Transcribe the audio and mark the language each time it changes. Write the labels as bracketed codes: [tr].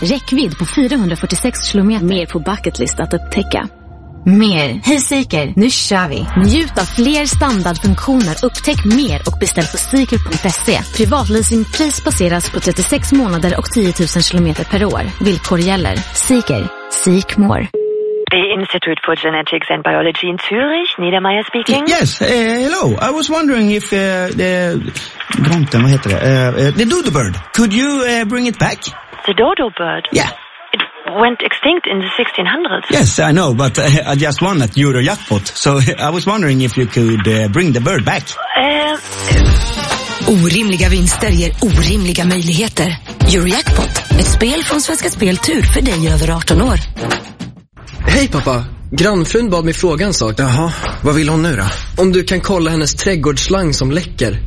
[sv] räckvidd på 446 kilometer, mer på bucketlist att upptäcka. Mer. Hej Seeker, nu kör vi. Njut av fler standardfunktioner, upptäck mer och beställ på seeker.se. Privatleasingpris baseras på 36 månader och 10 000 km per år. Villkor gäller. Seeker, [en] seek more. The Institute for Genetics and Biology in Zürich, Niedermeyer speaking. Yes, hello. I was wondering if the Gronten, [sv] vad heter det? [en] The dodo bird. Could you bring it back? The dodo bird? Yeah. Went extinct in the 1600s. Yes, I know, but I just won at Eurojackpot. So I was wondering if you could bring the bird back. [sv] Orimliga vinster ger orimliga möjligheter. Eurojackpot, ett spel från Svenska Spel, tur för dig över 18 år. Hej pappa, grannfrun bad mig fråga en sak. Jaha, vad vill hon nu då? Om du kan kolla hennes trädgårdsslang som läcker.